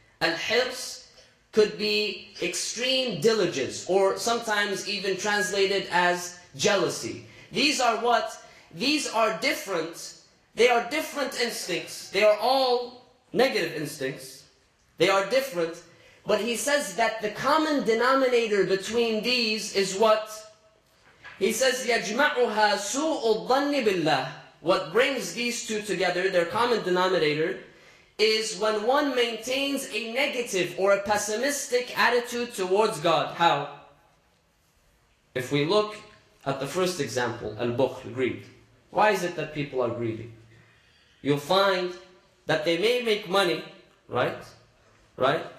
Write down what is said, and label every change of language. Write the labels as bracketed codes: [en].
[en] الحرس could be extreme diligence, or sometimes even translated as jealousy. These are what? These are different. They are different instincts. They are all negative instincts. They are different. But he says that the common denominator between these is what? He says, [ar] يَجْمَعُهَا سُوءُ الظَّنِّ بِاللَّهِ. [en] What brings these two together, their common denominator, is when one maintains a negative or a pessimistic attitude towards God. How? If we look at the first example, al-bukhl, greed. Why is it that people are greedy? You'll find that they may make money, right? Right?